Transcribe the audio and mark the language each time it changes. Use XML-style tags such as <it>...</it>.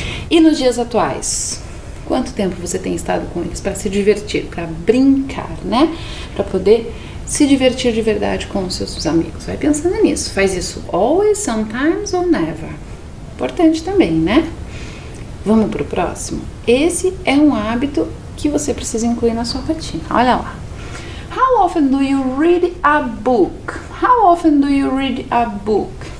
<pt>E nos dias atuais? Quanto tempo você tem estado com eles para se divertir, para brincar, né? Para poder se divertir de verdade com os seus amigos. Vai pensando nisso.</pt> <en>Faz isso always, sometimes or never.</en> <pt>Importante também, né? Vamos para o próximo? Esse é um hábito que você precisa incluir na sua rotina. Olha lá.</pt> <en>How often do you read a book? How often do you read a book?</en>